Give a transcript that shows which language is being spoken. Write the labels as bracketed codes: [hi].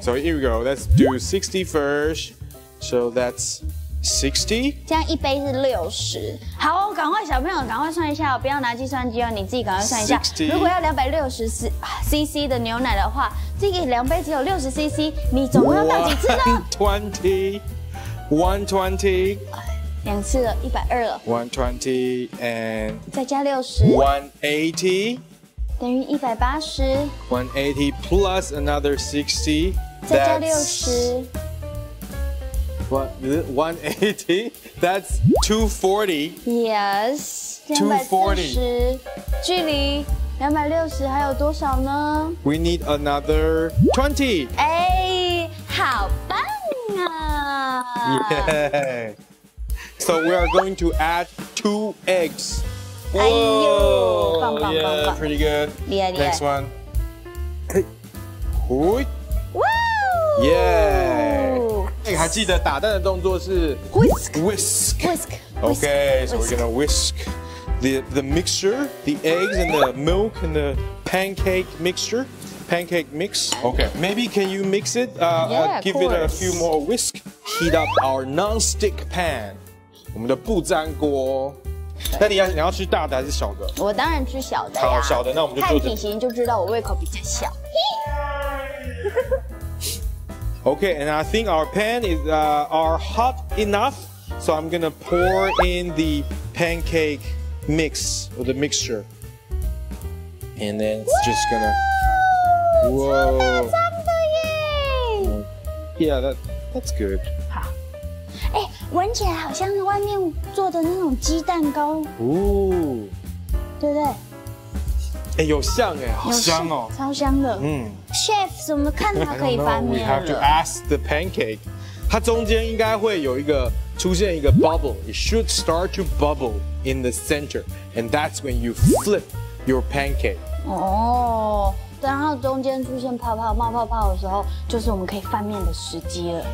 [en] So here we go, let's do 60 first So that's 60 [zh] 这样一杯是60好赶快小朋友赶快算一下不要拿计算机哦你自己赶快算一下 [en] 60. [zh] 如果要260cc 的牛奶的话这个两杯只有60cc 你总共要倒几次呢 120 120 两次了，120了。 [en] 120 and [zh] 再加60。 180 等于180。 [en] 180 plus another 60。 [zh] 再加60。 [en] 180? That's 240. Yes. [zh] 240. 距离260还有多少呢? [en] We need another 20. [zh] 哎，好棒啊！ [en] Yay. So we are going to add 2 eggs. [zh] Whoa. 哎呦，棒棒棒棒。 [en] Yeah, pretty good. [zh] 厉害厉害。 [en] Next one. Hey. Woo. Yeah. [zh] 你还记得打蛋的动作是 [en] whisk. Okay, so we're gonna whisk the mixture, the eggs and the milk and the pancake mix. Okay, maybe can you mix it? Give it a few more whisk. Heat up our non-stick pan. [zh] 我们的不粘锅。那你要吃大的还是小的？我当然吃小的呀。好，小的，那我们就看体型就知道我胃口比较小。 [en] Okay, and I think our pan is are hot enough, so I'm gonna pour in the pancake mix or the mixture, and then it's just gonna. [zh] Whoa! 超大张的耶！ [en] Yeah, that's good. [zh] 好，哎，闻起来好像是外面做的那种鸡蛋糕。哦，对不对？哎，有像哎，好香哦，超香的。嗯。Chef 怎么看它可以翻面了？ [en] We have to ask the pancake. [zh] 它中间应该会有一个出现一个 bubble. [en] It should start to bubble in the center, and that's when you flip your pancake. [zh] 哦，等它中间出现泡泡冒泡泡的时候，就是我们可以翻面的时机了。